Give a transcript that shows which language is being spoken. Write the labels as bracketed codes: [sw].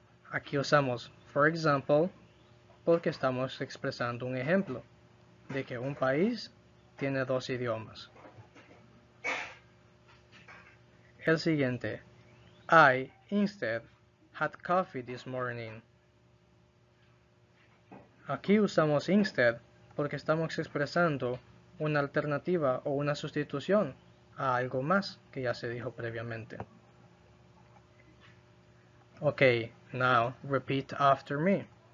[es] Aquí usamos, [en] for example, [es] porque estamos expresando un ejemplo de que un país tiene 2 idiomas. El siguiente, [en] I, instead, had coffee this morning. [es] Aquí usamos instead porque estamos expresando una alternativa o una sustitución a algo más que ya se dijo previamente. [en] Ok, now repeat after me.